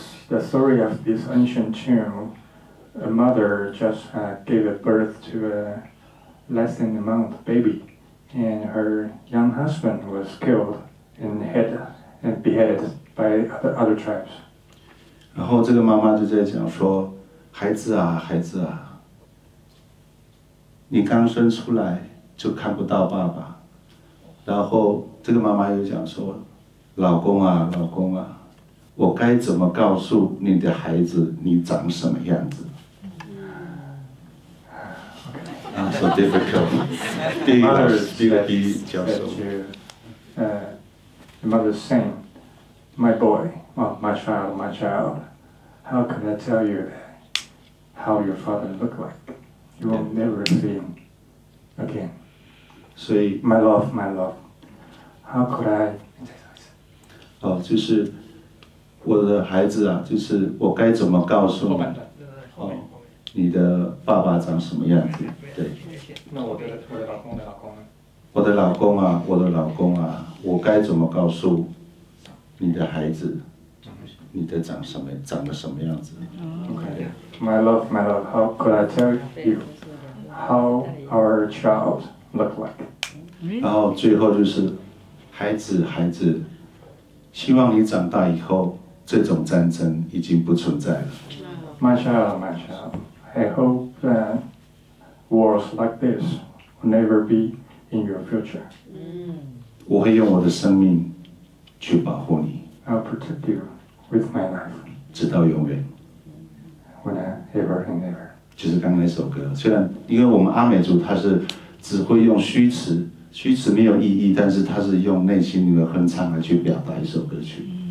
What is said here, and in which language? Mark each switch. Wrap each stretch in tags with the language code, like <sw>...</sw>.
<en>The story of this ancient tune, a mother just gave birth to a less than a month baby, and her young husband was killed and beheaded by other tribes.</en> <zh>然后这个妈妈就在讲说，孩子啊，孩子啊，你刚生出来就看不到爸爸。然后这个妈妈又讲说，老公啊，老公啊，我该怎么告诉你的孩子你长什么样子？</zh> <en>啊、so difficult. The mother said to the mother saying, "My boy, well, my child, how can I tell you how your father looked like? You will never see him again." So, my love, how could I?</en> <zh>哦，就是。我的孩子啊，就是我该怎么告诉你、哦、你的爸爸长什么样子？对，那我的老公，我的老公呢？我的老公啊，我的老公啊，我该怎么告诉你的孩子，你的长得什么样子</zh> <en>？Okay, my love, how could I tell you how our child look like?</en> <zh>然后最后就是，孩子，孩子，希望你长大以后。这种战争已经不存在了。</zh> <en>My child, my child, I hope that wars like this will never be in your future.</en> <zh>我会用我的生命去保护你。</zh> <en>I'll protect you with my life.</en> <zh>直到永远。</zh> <en>Whenever and ever.</en> <zh>就是刚刚那首歌，虽然因为我们阿美族他是只会用虚词，虚词没有意义，但是他是用内心的哼唱来去表达一首歌曲。</zh>